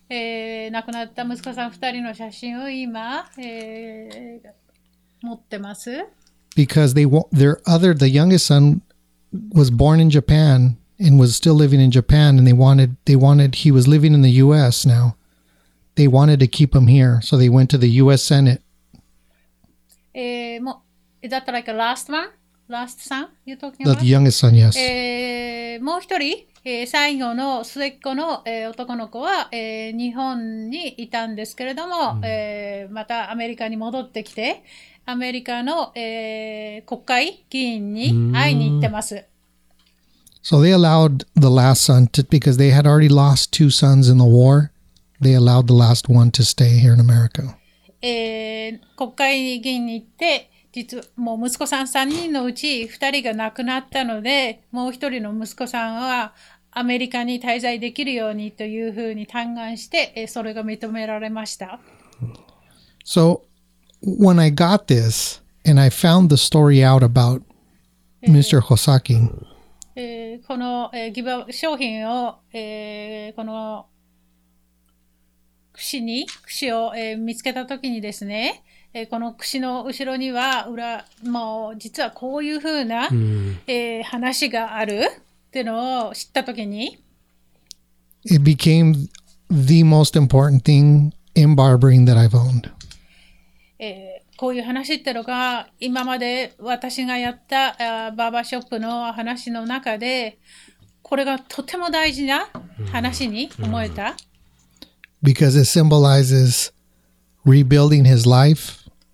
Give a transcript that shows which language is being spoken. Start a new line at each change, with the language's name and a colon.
Japanese: 亡くなった息子さん二人の写真を今、持ってます。
English: Because the youngest son was born in Japan and was still living in Japan, and he was living in the U.S. now. They wanted to keep him here, so they went to the U.S. Senate. Is that like the last one? Last son you're talking about? The youngest son, yes.
Japanese: もう一人、最後の末っ子の、男の子は、日本にいたんですけれども、またアメリカに戻ってきて、アメリカの、国会議員に会いに行ってます。
English: So they allowed the last son to, because they had already lost two sons in the war, they allowed the last one to stay here in America.
Japanese: 国会議員に行って、実はもう息子さん3人のうち2人が亡くなったので、もう1人の息子さんはアメリカに滞在できるようにというふうに嘆願して、それが認められました。
English: So, when I got this, and I found the story out about Mr. Hosaki.
Japanese: この、商品を、この、串に串を、見つけたときにですね、この串の後ろには裏もう実はこういうふうな、話があるっていうのを知ったときに、
English: It became the most important thing in barbering that I've owned、
Japanese: こういう話ってのが今まで私がやったバーバーショップの話の中でこれがとても大事な話に思えた。
English: Because it symbolizes rebuilding his life.